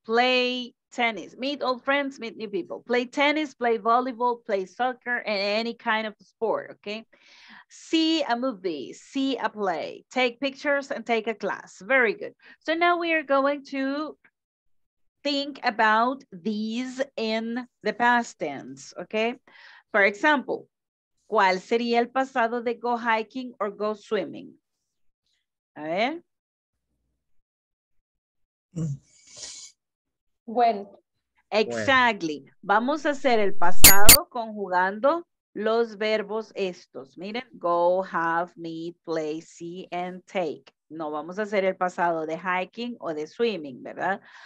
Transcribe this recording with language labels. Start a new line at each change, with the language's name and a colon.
English: Play tennis, meet old friends, meet new people, play tennis, play volleyball, play soccer, and any kind of sport. Okay, see a movie, see a play, take pictures, and take a class. Very good. So now we are going to think about these in the past tense. Okay, for example,
Spanish: ¿cuál sería el pasado de
English: go hiking or go swimming?
Spanish: A ver.
English: When. Exactly.
Spanish: Vamos a hacer el pasado conjugando los verbos estos.
English: Miren, go, have, meet, play, see, and take.
Spanish: No vamos a hacer el pasado de hiking o de swimming, ¿verdad?